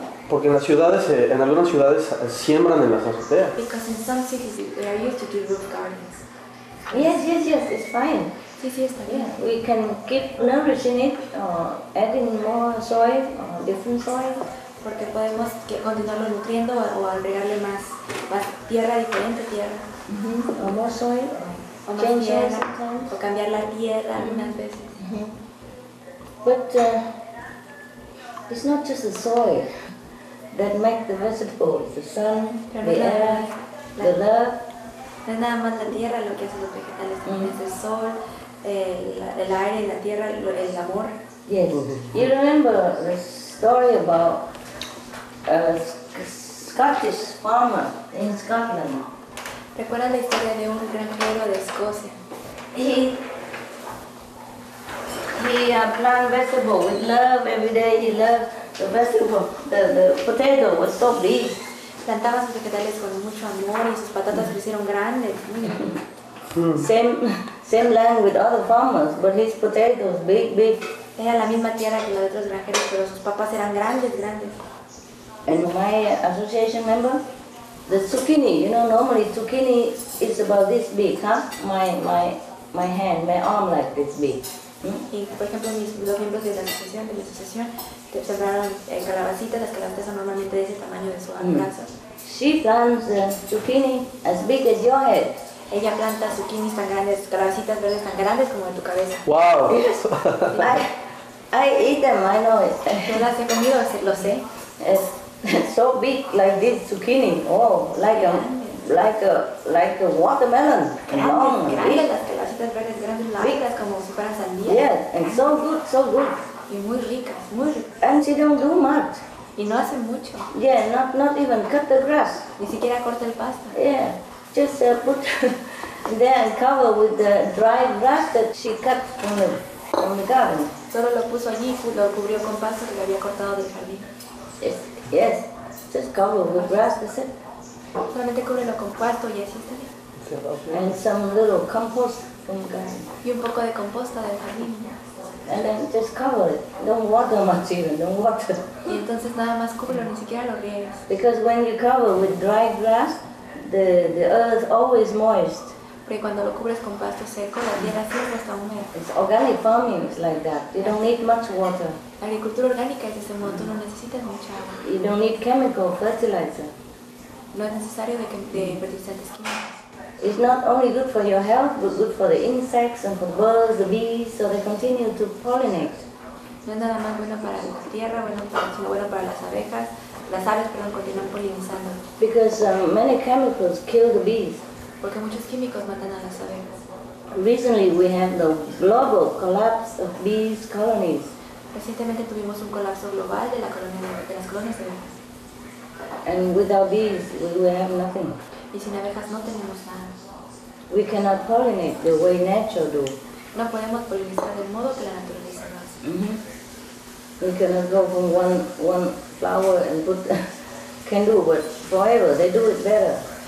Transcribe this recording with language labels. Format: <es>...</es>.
<es>Porque en las ciudades, en algunas ciudades siembran en las azoteas.</es> <en>Because in some cities they are used to do roof gardens. Yes, yes, yes, it's fine. Yeah, we can keep nourishing it, adding more soy, different soil.</en> <es>Porque podemos continuarlo nutriendo o agregarle más tierra, diferente tierra. Mm-hmm. O más soil, o más change tierra, sometimes. O cambiar la tierra algunas veces. Mm-hmm.</es> <en>But it's not just the soil that make the vegetables, the sun, the air, the love.</en> <es>No es nada más la tierra lo que hacen los vegetales, también es el sol, el aire, la tierra, el amor.</es> <en>Yes. You remember the story about a Scottish farmer in Scotland?</en> <es>¿Recuerda la historia de un granjero de Escocia?</es> <en>He plant vegetable with love every day. He loved the vegetable. The potato was so big.</en> <es>Plantaba sus vegetales con mucho amor y sus patatas crecieron grandes.</es> <en>Same land with other farmers, but his potatoes big.</en> <es>Era la misma tierra que los otros granjeros, pero sus papas eran grandes.</es> <en>And my association member, the zucchini. You know, normally zucchini is about this big, huh? My hand, my arm like this big.</en> <es>Y por ejemplo mis dos miembros de la asociación te sembraron calabacitas, las calabacitas son normalmente de ese tamaño de su brazo.</es> <en>She plants zucchini as big as your head.</en> <es>Ella planta zucchinis tan grandes, calabacitas verdes tan grandes como de tu cabeza.</es> <en>Wow. I eat them, I know it.</en> <es>Tú las has comido, lo sé.</es> <en>It's so big like this zucchini. Oh, like a watermelon.</en> <es>Grande. Estas verdes grandes, largas, como si fueran sandías.</es> <en>Yes, and so good.</en> <es>Y muy ricas, muy ricas.</es> <en>And she don't do much.</en> <es>Y no hace mucho.</es> <en>Yeah, not even cut the grass.</en> <es>Ni siquiera corta el pasto.</es> <en>Yeah, just put there and cover with the dry grass that she cut from the garden.</en> <es>Solo lo puso allí y lo cubrió con pasto que le había cortado del jardín.</es> <en>Yes, just cover with grass, that's it.</en> <es>Solamente cúbrelo con pasto y así está bien.</es> <en>And some little compost from the garden.</en> <es>Y un poco de composta del jardín.</es> <en>And then just cover it. Don't water much even. Don't water.</en> <es>Y entonces nada más cúbrelo, ni siquiera lo riegas.</es> <en>Because when you cover with dry grass, the earth always moist.</en> <es>Porque cuando lo cubres con pasto seco, la tierra siempre está húmeda.</es> <en>It's organic farming is like that. You don't need much water.</en> <es>La agricultura orgánica es de ese modo. Tú no necesitas mucha agua.</es> <en>You don't need chemical fertilizer.</en> <es>No es necesario de fertilizantes químicos.</es> <en>It's not only good for your health, but good for the insects and for the birds, the bees, so they continue to pollinate.</en> <es>No es nada más bueno para la tierra, sino bueno para las aves, continúan polinizando.</es> <en>Because many chemicals kill the bees.</en> <es>Porque muchos químicos matan a las abejas.</es> <en>Recently we have the global collapse of bees colonies.</en> <es>Recientemente tuvimos un colapso global de las colonias de abejas.</es> <en>And without bees, we have nothing.</en> <es>Y sin abejas no tenemos nada.</es> <en>We cannot pollinate the way nature do.</en> <es>No podemos polinizar del modo que la naturaleza lo hace. Mm-hmm.</es> <en>We cannot go from one flower and put can do, but forever they do it better.</en>